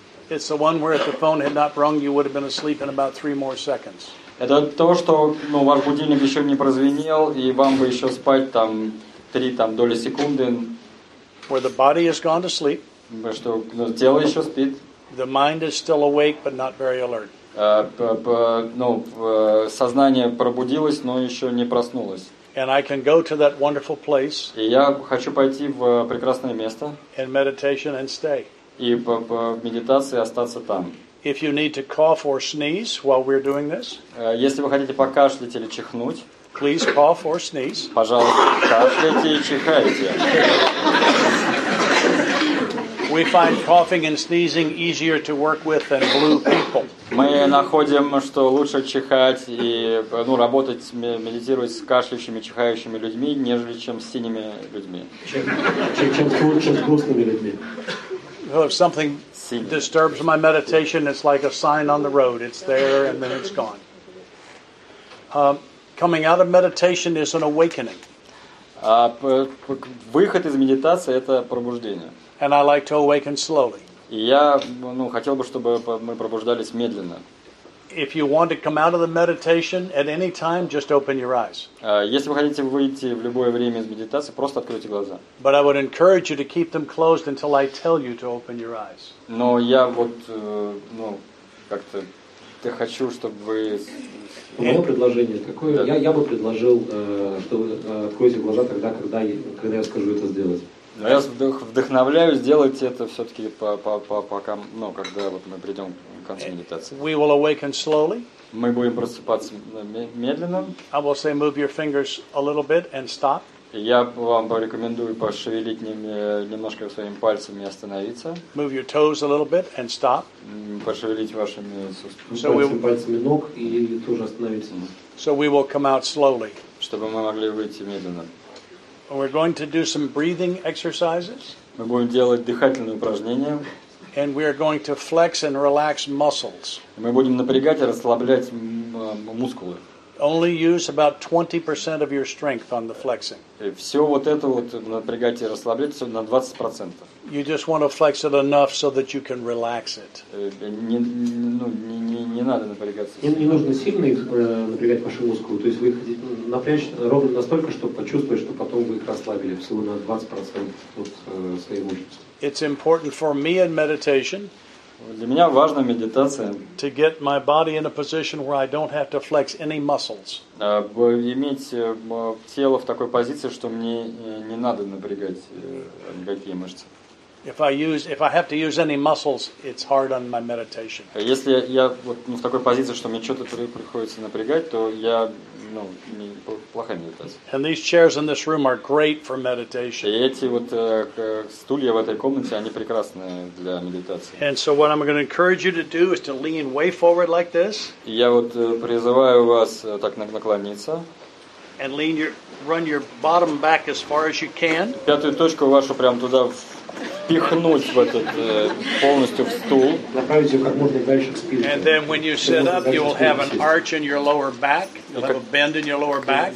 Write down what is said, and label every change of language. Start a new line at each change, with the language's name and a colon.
English: It's the one where if the phone had not rung, you would have been asleep in about three more seconds.
Russian: Это то, что ну, ваш будильник еще не прозвенел, и вам бы еще спать там три там доли секунды.
English: Where the body has gone to sleep.
Russian: Что, ну, тело еще спит.
English: The mind is still awake, but not very alert.
Russian: Сознание пробудилось, но еще не проснулось.
English: And I can go to that wonderful place.
Russian: И я хочу пойти в прекрасное место.
English: And meditation and stay.
Russian: И в медитации остаться там.
English: If you need to cough or sneeze while we're doing this.
Russian: Если вы хотите покашлять или чихнуть.
English: Please cough or sneeze.
Russian: Пожалуйста, кашляйте и чихайте.
English: We find coughing and sneezing easier to work with than blue people.
Russian: Мы находим, что лучше чихать и ну работать, медитировать с кашляющими, чихающими людьми, нежели чем с синими людьми. Чем с грустными людьми.
English: Something disturbs my meditation. It's like a sign on the road. It's there and then it's gone. Coming out of meditation is an awakening.
Russian: Выход из медитации это пробуждение.
English: And I like to awaken slowly.
Russian: Я, ну, хотел бы, чтобы мы пробуждались медленно.
English: If you want to come out of the meditation at any time, just open your eyes.
Russian: Если вы хотите выйти в любое время из медитации, просто откройте глаза.
English: But I would encourage you to keep them closed until I tell you to open your eyes.
Russian: Но я вот, ну, как-то, я хочу, чтобы вы... Мое предложение такое, да. Я бы предложил, чтобы откройте глаза тогда, когда я скажу это сделать. Но я вдохновляю сделать это все-таки пока, ну, когда вот мы придем к концу медитации.
English: We will awaken slowly.
Russian: Мы будем просыпаться медленно.
English: I will say move your fingers a little bit and stop.
Russian: Я вам порекомендую пошевелить немножко своими пальцами и остановиться.
English: Move your toes a little bit and stop.
Russian: Пошевелить вашими пальцами ног и тоже остановиться.
English: So we will come out slowly.
Russian: Чтобы мы могли выйти медленно.
English: We're going to do some breathing exercises.
Russian: Мы будем делать дыхательные упражнения.
English: And we are going to flex and relax muscles.
Russian: Мы будем напрягать и расслаблять мускулы.
English: Only use about 20% of your strength on the flexing.
Russian: Все вот это вот напрягать и расслаблять на 20%.
English: You just want to flex it enough so that you can relax it.
Russian: Не надо напрягаться. Не нужно сильно их напрягать ваши мускулы. То есть вы хотите напрячь ровно настолько, чтобы почувствовать, что потом вы их расслабили всего на 20% от своей мышцы.
English: It's important for me in meditation.
Russian: Для меня важна медитация.
English: To get my body in a position where I don't have to flex any muscles.
Russian: Иметь тело в такой позиции, что мне не надо напрягать никакие мышцы.
English: If I have to use any muscles, it's hard on my meditation.
Russian: Если я вот в такой позиции, что мне что-то приходится напрягать, то я, ну, плохая медитация.
English: And these chairs in this room are great for meditation.
Russian: Эти вот стулья в этой комнате, они прекрасные для медитации.
English: And so what I'm going to encourage you to do is to lean way forward like this.
Russian: Я вот призываю вас так наклониться.
English: And lean your, run your bottom back as far as you can.
Russian: Пятую точку вашу прям туда впихнуть в этот полностью в стул.
English: And then when you sit up, you will have an arch in your lower back. You'll have a bend in your lower back.